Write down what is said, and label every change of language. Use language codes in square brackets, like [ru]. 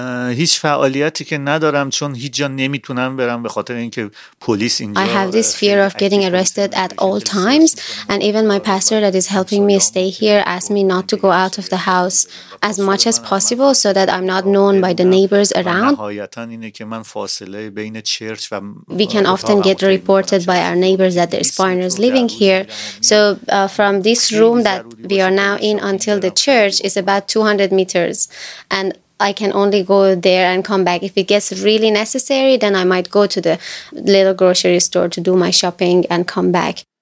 [fa] هیچ فعالیتی که ندارم چون هیچ جا نمیتونم برم به خاطر اینکه پلیس اینجا. [en] I have this fear of getting arrested at all times, and even my pastor that is helping me stay here asked me not to go out of the house as much as possible so that I'm not known by the neighbors around. [fa] نهایتاً اینه که من فاصله بین چرچ و [en] We can often get reported by our neighbors that there's foreigners living here. So from this room that we are now in until the church is about 200 meters, and I can only go there and come back. If it gets really necessary, then I might go to the little grocery store to do my shopping and come back.